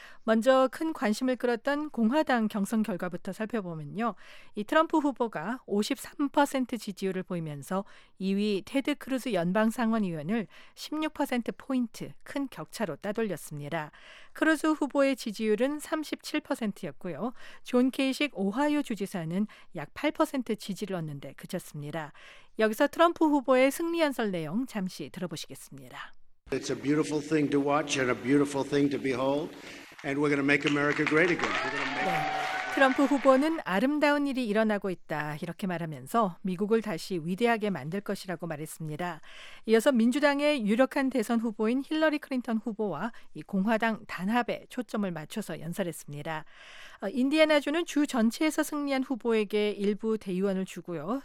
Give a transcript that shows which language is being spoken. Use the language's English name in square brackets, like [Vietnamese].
[Korean] 먼저 큰 관심을 끌었던 공화당 경선 결과부터 살펴보면요, 이 트럼프 후보가 53% 지지율을 보이면서 2위 테드 크루즈 연방 상원의원을 16%포인트 큰 격차로 따돌렸습니다. 크루즈 후보의 지지율은 37%였고요. 존 케이식 오하이오 주지사는 약 8% 지지를 얻는 데 그쳤습니다. 여기서 트럼프 후보의 승리 연설 내용 잠시 들어보시겠습니다. [English] It's a beautiful thing to watch and a beautiful thing to behold. And we're going to make America great again. We're gonna make... [Korean] 트럼프 후보는 아름다운 일이 일어나고 있다 이렇게 말하면서 미국을 다시 위대하게 만들 것이라고 말했습니다. 이어서 민주당의 유력한 대선 후보인 힐러리 클린턴 후보와 이 공화당 단합에 초점을 맞춰서 연설했습니다. 인디애나주는 주 전체에서 승리한 후보에게 일부 대의원을 주고요.